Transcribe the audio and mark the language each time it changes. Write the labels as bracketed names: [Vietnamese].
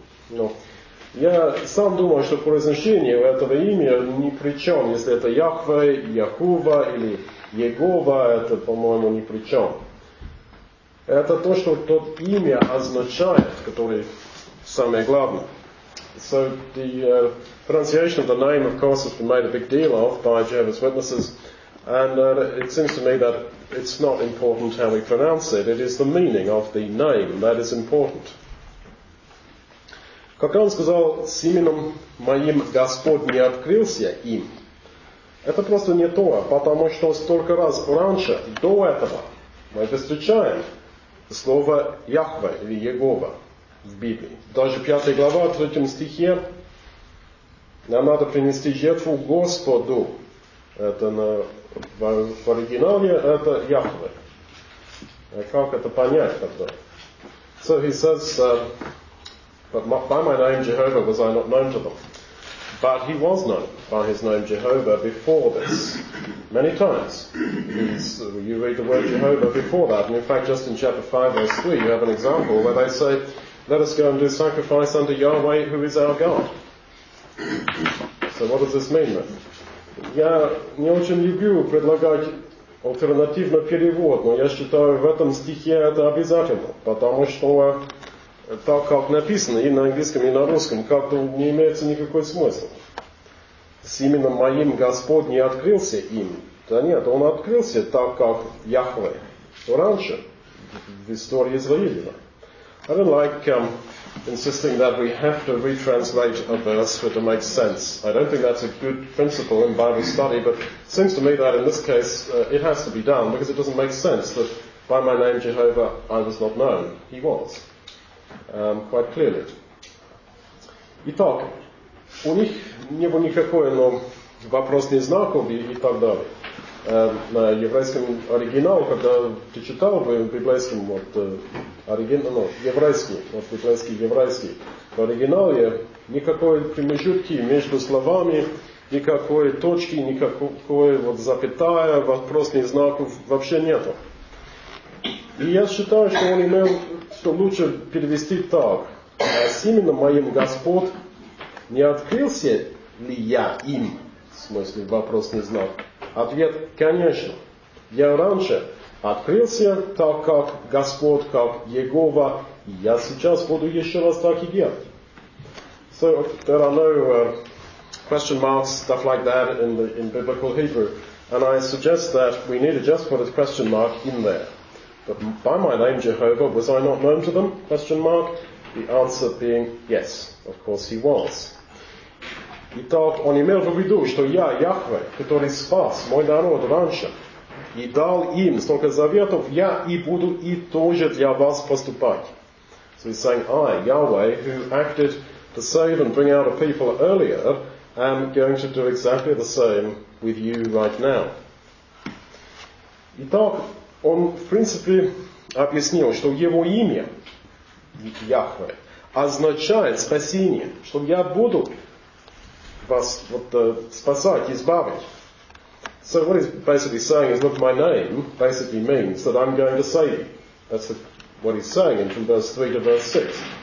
[Russian] Но я сам думаю, что произношение этого имя ни при чем, если это Яхве, Яхува или Егова, это, по-моему, ни при чем. Это то, что то имя означает, которое самое главное. [English] So the pronunciation of the name, of course, has been made a big deal of by Jehovah's Witnesses. And it seems to me that it's not important how we pronounce it. It is the meaning of the name that is important. [Russian] Как он сказал, с именем моим Господь не открылся им. Это просто не то, потому что столько раз раньше, до этого, мы встречаем слово Яхве или Егова в Библии. Даже 5 глава, 3 стихе, нам надо принести жертву Господу. Это на, в оригинале это Яхве. Как это понять тогда? [English] So he says, by my name Jehovah was I not known to them. But he was known by his name Jehovah before this. Many times. You read the word Jehovah before that. And in fact, just in chapter 5, verse 3, you have an example where they say, let us go and do sacrifice unto Yahweh, who is our God. So what does this mean then? [Russian] Я не очень люблю предлагать альтернативный перевод, но я считаю, в этом стихе это обязательно, потому что так как написано и на английском, и на русском, как-то не имеется никакой смысла. С именем моим Господь не открылся им. Да нет, он открылся так, как Яхве раньше в истории Израиля. [English] I don't like insisting that we have to retranslate a verse for it to make sense. I don't think that's a good principle in Bible study, but it seems to me that in this case it has to be done because it doesn't make sense that by my name Jehovah I was not known. He was. Quite clearly. [Russian] Итак, у них не было никакой, но вопрос не знаков и так далее. На еврейском оригинале, когда ты читал бы библейским еврейский в оригинале никакой промежутки между словами, никакой точки, никакой вот запятая, вопросных знаков вообще нету. И я считаю, что он имел, что лучше перевести так: с именем моим Господь не открылся ли я им, в смысле вопросных знаков. Ответ, конечно, я раньше открылся так, как Господь, как Егова, и я сейчас буду еще раз так и делать. [English] So, there are no question marks, stuff like that in biblical Hebrew, and I suggest that we need to just put a question mark in there. But by my name Jehovah, was I not known to them? Question mark. The answer being yes, of course he was. [Russian] Итак, он имел в виду, что я, Яхве, который спас мой народ раньше, и дал им столько заветов, я и буду и тоже для вас поступать. [English] So he's saying, I, Yahweh, who acted to save and bring out a people earlier, am going to do exactly the same with you right now. [Russian] Итак, он в принципе объяснил, что его имя, Яхве, означает спасение, что я буду вас вот, спасать, избавить. [English] So what he's basically saying is, look, my name basically means that I'm going to save you. That's what he's saying from verse 3 to verse 6.